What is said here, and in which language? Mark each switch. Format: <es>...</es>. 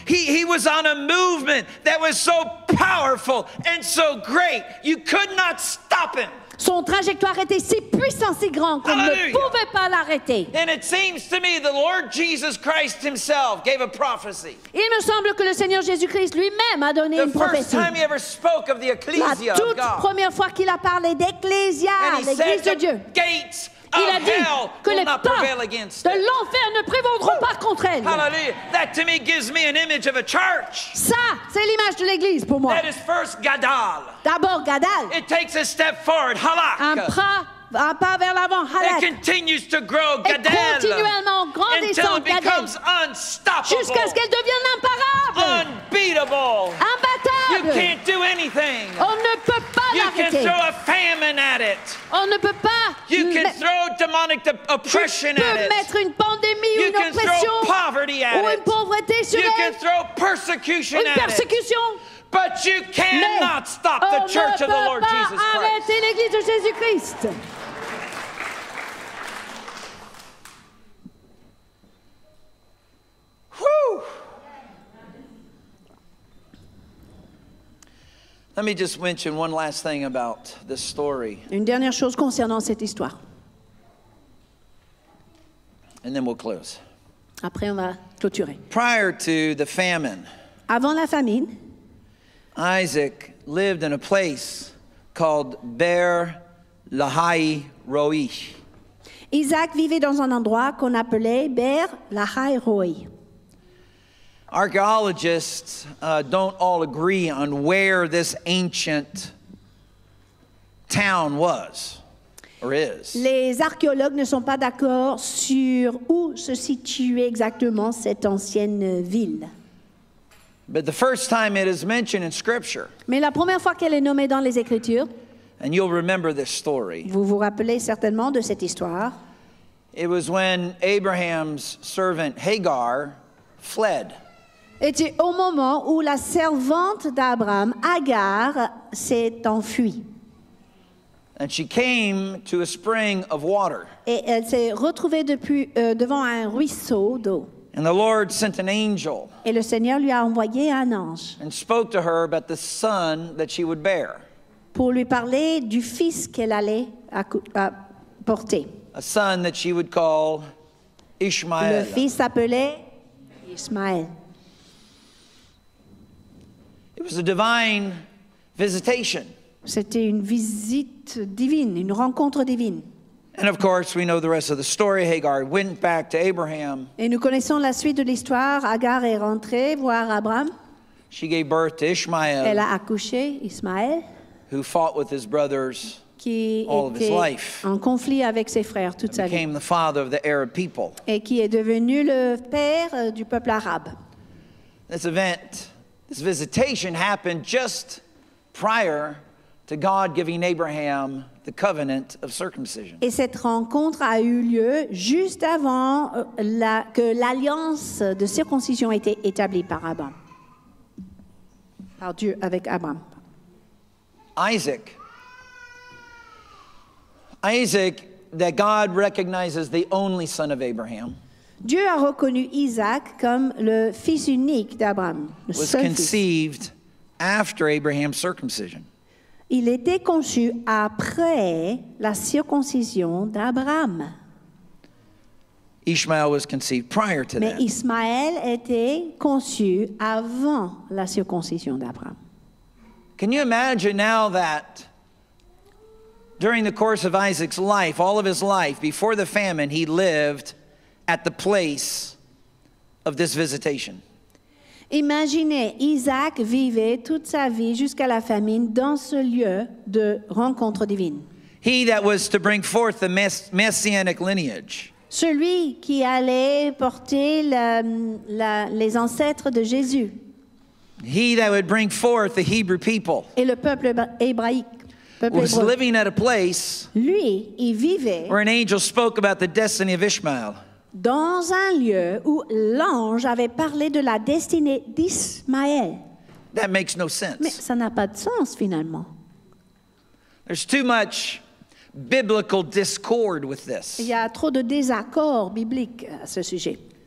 <en>He was on a movement that was so powerful and so great, you could not stop him.</en> <fr>Son trajectoire était si puissant, si grand qu'on</fr> <en>Hallelujah.</en> <fr>Ne pouvait pas l'arrêter.</fr> <en>And it seems to me the Lord Jesus Christ himself gave a prophecy.</en> <fr>Il me semble que le Seigneur Jésus-Christ lui-même a donné</fr> <en>the</en> <fr>une prophétie.</fr> <en>The first time he ever spoke of the ecclesia of God.</en> <fr>La toute première fois qu'il a parlé d'ecclesia, l'église de Dieu.</fr> <en>Gates</en> <fr>Il a dit que les portes de l'enfer ne prévaudront pas contre elle.</fr> <en>Hallelujah. That to me gives me an image of a church.</en> <fr>Ça, c'est l'image de l'église pour moi.</fr> <en>That is first gadal.</en> <fr>D'abord gadal.</fr> <en>It takes a step forward, halak.</en> <fr>Un pas vers l'avant, halak.</fr> <en>It continues to grow, gadal.</en> <fr>Et continuellement grandissant,</fr> <en>gadal. Until it becomes unstoppable.</en> <fr>Jusqu'à ce qu'elle devienne imparable.</fr> <en>Unbeatable.</en> <fr>Imbattable.</fr> <en>You can't do anything.</en> <fr>On ne peut pas</fr> <en>you</en> <fr>l'arrêter.</fr> <en>You can throw a famine at it.</en> <fr>On ne peut pas.</fr> <en>You can throw demonic oppression at it.</en> <fr>Tu peux mettre une pandémie ou une oppression ou une pauvreté sur elle.</fr> <en>You can throw persecution at it.</en> <fr>Une persécution.</fr> <en>But you cannot stop the church of the Lord Jesus Christ.</en> <fr>On ne peut pas arrêter l'église de Jésus-Christ. Whew.</fr> <en>Let me just mention one last thing about this story.</en> <fr>Une dernière chose concernant cette histoire.</fr> <en>And then we'll close.</en> <fr>Après, on va clôturer.</fr> <en>Prior to the famine.</en> <fr>Avant la famine.</fr> <en>Isaac lived in a place called Ber Lahai Roi.</en> <fr>Isaac vivait dans un endroit qu'on appelait Ber Lahai Roi.</fr> <en>Archaeologists don't all agree on where this ancient town was or is.</en> <fr>Les archéologues ne sont pas d'accord sur où se situait exactement cette ancienne ville.</fr> <en>But the first time it is mentioned in Scripture.</en> <fr>Mais la première fois qu'elle est nommée dans les Écritures.</fr> <en>And you'll remember this story.</en> <fr>Vous vous rappelez certainement de cette histoire.</fr> <en>It was when Abraham's servant Hagar fled.</en> <fr>C'était au moment où la servante d'Abraham, Hagar, s'est enfuie.</fr> <en>And she came to a spring of water.</en> <fr>Et elle s'est retrouvée devant un ruisseau d'eau.</fr> <en>And the Lord sent an angel.</en> <fr>Et le Seigneur lui a envoyé un ange.</fr> <en>And spoke to her about the son that she would bear.</en> <fr>Pour lui parler du fils qu'elle allait porter.</fr> <en>A son that she would call Ishmael.</en> <fr>Le fils s'appelait Ishmael.</fr> <en>It was a divine visitation.</en> <fr>C'était une visite divine, une rencontre divine.</fr> <en>And of course, we know the rest of the story. Hagar went back to Abraham.</en> <fr>Et nous connaissons la suite de l'histoire. Agar est rentrée voir Abraham.</fr> <en>She gave birth to Ishmael.</en> <fr>Elle a accouché Ismaël.</fr> <en>Who fought with his brothers all of his life.</en> <fr>En conflit avec ses frères toute sa vie.</fr> <en>Became the father of the Arab people.</en> <fr>Et qui est devenu le père du peuple arabe.</fr> <en>This event, this visitation happened just prior to God giving Abraham the covenant of circumcision.</en> <fr>Et cette rencontre a eu lieu juste avant que l'alliance de circoncision était établie par Abraham. Par Dieu avec Abraham.</fr> <en>Isaac, that God recognizes the only son of Abraham.</en> <fr>Dieu a reconnu Isaac comme le fils unique d'Abraham.</fr> <en>Was conceived after Abraham's circumcision.</en> <fr>Il était conçu après la circoncision d'Abraham.</fr> <en>Ishmael was conceived prior to</en> <fr>Mais Ismaël était conçu avant la circoncision d'Abraham.</fr> <en>Can you imagine now that during the course of Isaac's life, all of his life, before the famine, he lived at the place of this visitation?</en> <fr>Imaginez, Isaac vivait toute sa vie jusqu'à la famine dans ce lieu de rencontre divine.</fr> <en>He that was to bring forth the messianic lineage.</en> <fr>Celui qui allait porter les ancêtres de Jésus.</fr> <en>He that would bring forth the Hebrew people.</en> <fr>Et le peuple hébraïque.</fr> <en>Was living at a place.</en> <fr>Lui, il vivait.</fr> <en>Where an angel spoke about the destiny of Ishmael.</en> <fr>Dans un lieu où l'ange avait parlé de la destinée d'Ismaël.</fr> <en>That makes no sense.</en> <fr>Mais ça n'a pas de sens finalement.</fr> <en>There's too much biblical discord with this.</en> <fr>Il y a trop de désaccords bibliques à ce sujet.</fr>